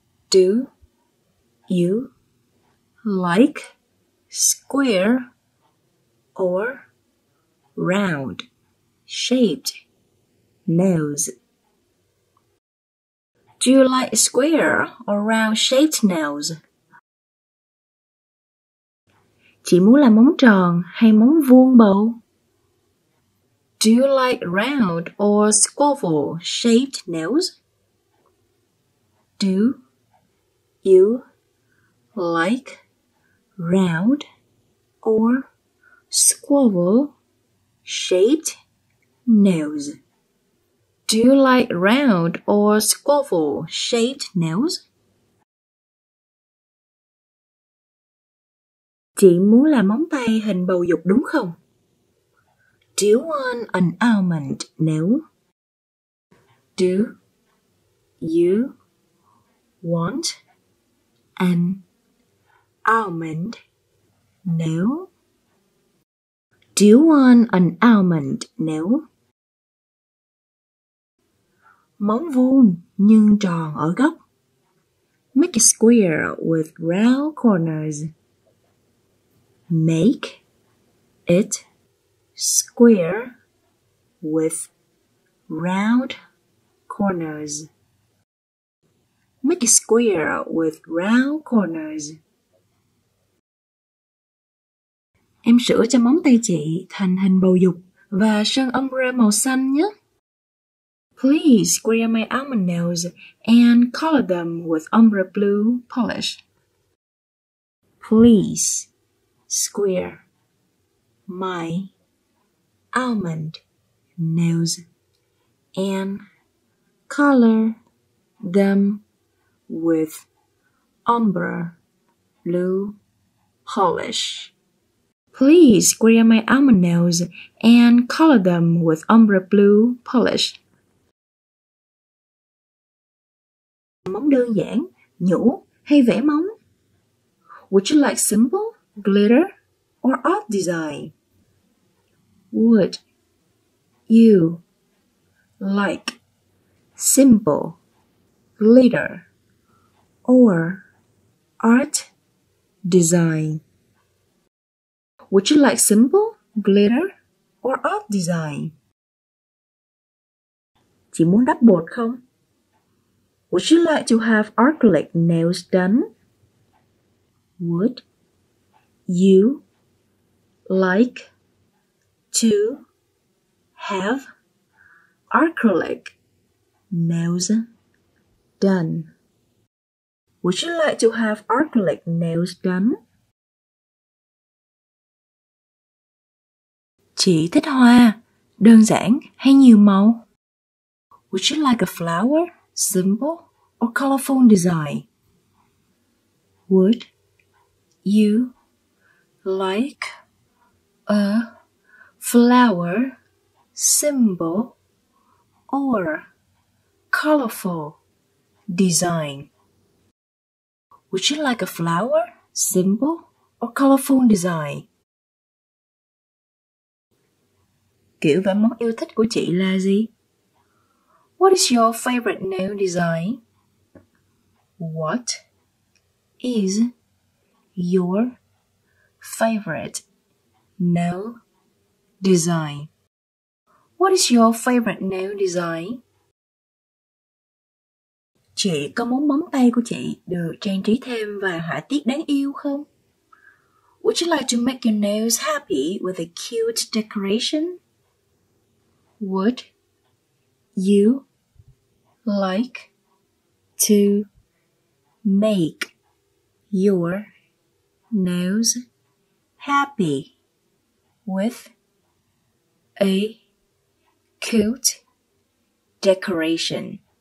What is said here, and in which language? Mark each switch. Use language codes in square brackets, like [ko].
[en] Do you like square or round shaped nails? Do you like square or round shaped nails? [vi] Chị muốn làm móng tròn hay móng vuông bầu? [en] Do you like round or squoval shaped nails? Do you like round or squoval shaped nails? Do you like round or squoval shaped nails? [vi] Chị muốn làm móng tay hình bầu dục đúng không? [en] Do you want an almond nail? Do you want an almond nail? Do you want an almond nail? [vi] Móng vuông nhưng tròn ở góc. [en] Make a square with round corners. Make it square with round corners. Make a square with round corners. [vi] Em sửa cho móng tay chị thành hình bầu dục và sơn ombre màu xanh nhé. [en] Please square my almond nails and color them with ombre blue polish. Please square my almond nails and color them with ombre blue polish. Please square my almond nails and color them with ombre blue polish. [vi] Móng đơn giản, nhũ hay vẽ móng? [en] Would you like simple, glitter or art design? Would you like simple, glitter, or art design? Would you like simple, glitter, or art design? [vi] Chị muốn đắp bột không? [en] Would you like to have acrylic nails done? Would you like to have acrylic nails done. Would you like to have acrylic nails done? [vi] Chị thích hoa, đơn giản hay nhiều màu? [en] Would you like a flower, simple or colorful design? Would you like a flower, simple or colorful design? Would you like a flower, simple or colorful design? [vi] Kiểu vẽ móng yêu thích của chị là gì? [en] What is your favorite nail design? What is your favorite nail design? What is your favorite nail design? [vi] Chị có muốn móng tay của chị được trang trí thêm vài họa tiết đáng yêu không? [en] Would you like to make your nails happy with a cute decoration? Would you like to make your nails happy with a cute decoration?